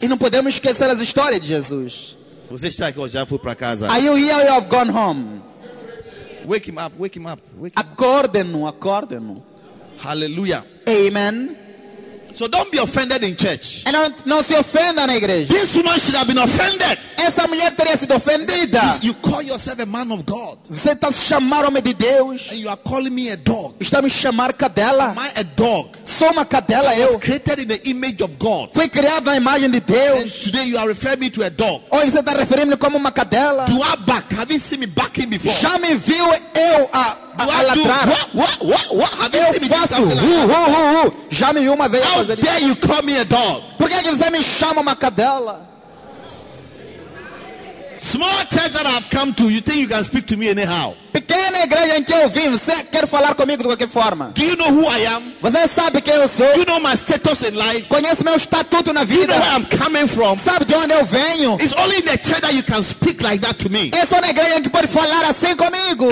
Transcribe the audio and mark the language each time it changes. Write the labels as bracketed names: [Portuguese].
[Portuguese] E não podemos esquecer as histórias de Jesus. Você está aqui, já foi para casa? [English] Are you here or you have gone home? Wake him up. [Portuguese] Acorde-no. Hallelujah. Amen. [English] So don't be offended in church. [Portuguese] And não se ofenda na igreja. [English] This woman should have been offended. [Portuguese] Essa mulher teria sido ofendida. [English] You call yourself a man of God. [Portuguese] Você está se chamando homem de Deus. [English] And you are calling me a dog. [Portuguese] Está me chamar cadela. [English] Am I a dog? [Portuguese] Sou uma cadela eu. [English] I was created in the image of God. [Portuguese] Fui criado na imagem de Deus. [English] And today you are referring me to a dog. [Portuguese] Hoje você está referindo-me como uma cadela. [English] Do I bark? Have you seen me barking before? [Portuguese] Já me viu eu a [English] What? [Portuguese] Já me viu uma vez. [English] How dare you call me a dog? [Portuguese] Por que você me chama uma cadela? [English] Small church that I've come to, you think you can speak to me anyhow? [Portuguese] Pequena igreja em que eu vim, você quer falar comigo de qualquer forma? [English] Do you know who I am? [Portuguese] Você sabe quem eu sou? [English] Do you know my status in life? [Portuguese] Conhece meu estatuto na vida? [English] Do you know where I'm coming from? [Portuguese] Sabe de onde eu venho? [English] It's only in the church that you can speak like that to me. [Portuguese] É só na igreja em que pode falar assim comigo.